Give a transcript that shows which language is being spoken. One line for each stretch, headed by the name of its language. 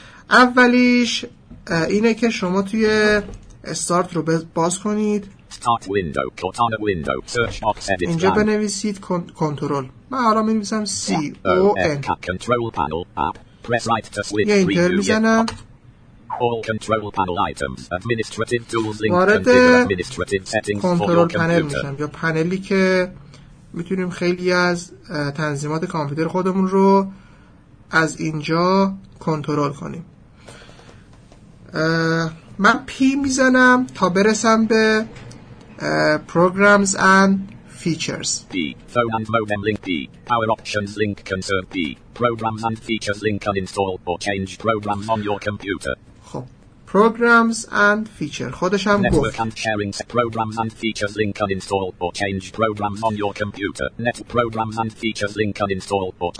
Persian: اولیش اینه که شما توی استارت رو باز کنید،
English: Start window, Cortana window, search box, edit line.
Persian: اینجا بنویسید کنترل. من حالا می‌نویسم C O N.
English: Control panel up. Press right to switch.
Persian: Enter می‌زنم.
English: All control panel items. Administrative tools link.
Persian: وارد
English: administrative settings control panel
Persian: می‌شم. یا پنلی که می‌تونیم خیلی از تنظیمات کامپیوتر خودمون رو از اینجا کنترل کنیم. من P می‌زنم تا برسم به
English: programs and features. B. Phone and modem link. B. Power options link conserve. B. Programs and features link uninstall or change programs on your computer.
Persian: خب.
English: Programs and features.
Persian: خودش هم
English: Network
Persian: گفت.
English: Network and sharing. Programs and features link uninstall or change programs on your computer. Net programs and features link uninstall or